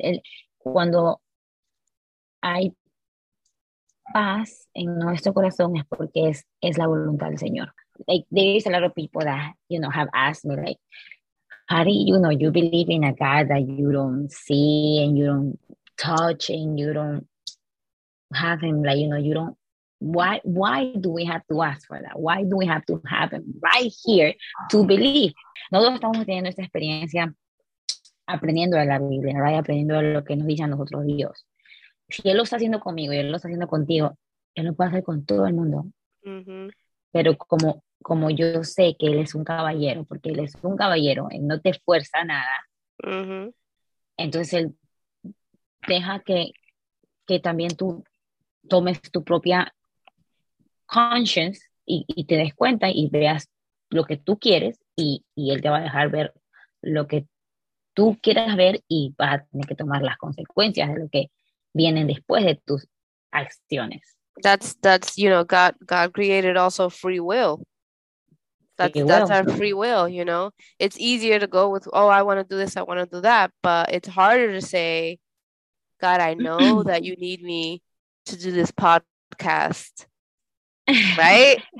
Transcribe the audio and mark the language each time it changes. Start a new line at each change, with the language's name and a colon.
Spanish: Él, cuando hay paz en nuestro corazón es porque es la voluntad del Señor.
English: Like, there is a lot of people that, you know, have asked me, like, how do you know you believe in a God that you don't see and you don't touch and you don't have Him? Like, you know, you don't, why do we have to ask for that? Why do we have to have Him right here to believe?
Spanish: Nosotros estamos teniendo esta experiencia aprendiendo de la Biblia, right? Aprendiendo de lo que nos dice a nosotros Dios. Si Él lo está haciendo conmigo y Él lo está haciendo contigo, Él lo puede hacer con todo el mundo. Pero como yo sé que Él es un caballero, porque Él es un caballero, Él no te fuerza nada, entonces Él deja que también tú tomes tu propia conscience y te des cuenta y veas lo que tú quieres, y Él te va a dejar ver lo que tú quieras ver y vas a tener que tomar las consecuencias de lo que viene después de tus acciones.
English: That's you know, God created also free will. That's our free will, you know. It's easier to go with, oh, I want to do this, I want to do that, but it's harder to say, God, I know that you need me to do this podcast, right?